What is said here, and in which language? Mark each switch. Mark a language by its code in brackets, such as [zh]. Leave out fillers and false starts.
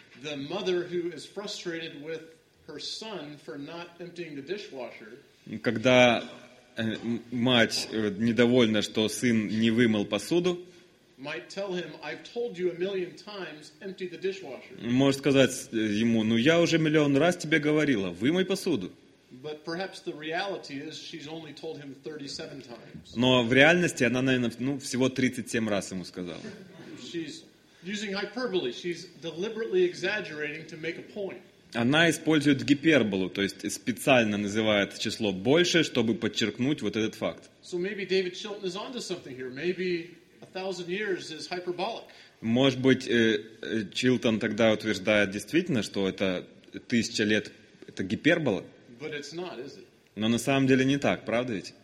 [en] The mother who is frustrated with her son for not emptying the dishwasher. [ru] Когда мать недовольна, что сын не вымыл посуду. [en] Might tell him, I've told you a million times, empty the dishwasher. [ru] Может сказать ему, ну я уже миллион раз тебе говорила, вымой посуду. [en] But perhaps the reality is she's only told him 37 times. [ru] Но в реальности она, наверное, ну, всего 37 раз ему сказала. [en] She's using hyperbole. She's deliberately exaggerating to make a point. [ru] Она использует гиперболу, то есть специально называет число больше, чтобы подчеркнуть вот этот факт. [en] So maybe David Chilton is onto something here. Maybe 1000 years is hyperbolic. [ru] Может быть, Чилтон тогда утверждает действительно, что это 1000 лет это гипербола? [en] But it's not, is it? [ru] Но на самом деле не так, правда ведь?